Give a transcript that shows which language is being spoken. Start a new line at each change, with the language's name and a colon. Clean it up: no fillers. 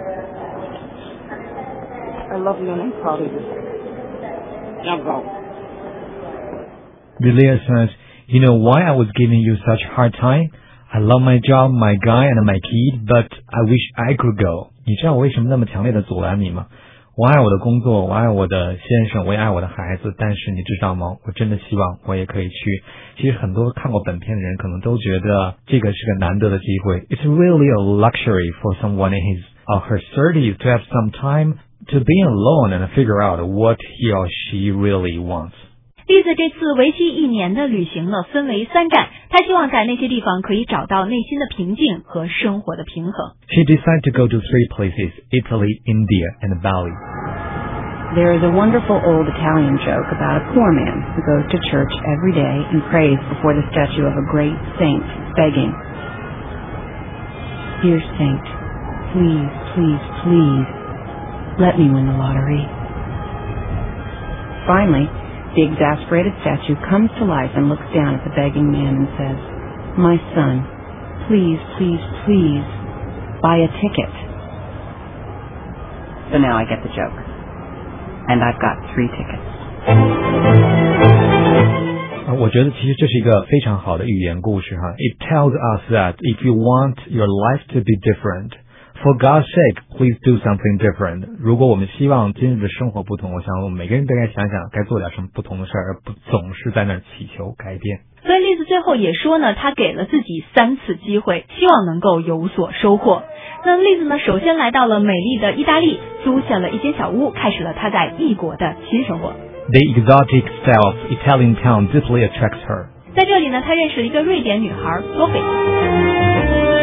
English: I love you, and I'm proud of you. Delia says, you know why I was giving you such hard time? I love my job, my guy, and my kid, but I wish I could go.
Chinese: 你知道我为什么那么强烈的阻拦你吗？我爱我的工作，我爱我的先生，我也爱我的孩子，但是你知道吗，我真的希望我也可以去。其实很多看过本片的人可能都觉得这个是个难得的机会。
English: It's really a luxury for someone in his or her 30s to have some time to be alone and figure out what he or she really wants。
Chinese: 栗子这次为期一年的旅行呢，分为三站。他希望在那些地方可以找到内心的平静和生活的平衡。
English: She decided to go to three places: Italy, India, and Bali. There is a wonderful old Italian joke about a poor man who goes to church every day and prays before the statue of a great saint, begging, "Dear saint, please, please, please, let me win the lottery." Finally. The exasperated statue comes to life and looks down at the begging man and says, "My son, please, please, please, buy a ticket." So now I get the joke. And I've got three tickets.
Chinese: 我觉得其实这是一个非常好的寓言故事哈。
English: It tells us that if you want your life to be different,For God's sake, please do something different.
Chinese: 如果我们希望今日的生活不同，我想我们每个人都该想想该做点什么不同的事儿，而不总是在那儿祈求改变。所以例子最后也说呢，他给了自己三次机会，希望能够有所收获。那例子呢，首先来到了美丽的意大利，租下了一间小屋，开始了他在异国的新生活。
English: The exotic style of Italian town deeply attracts her.
Chinese: 在这里呢，他认识了一个瑞典女孩 Sophie。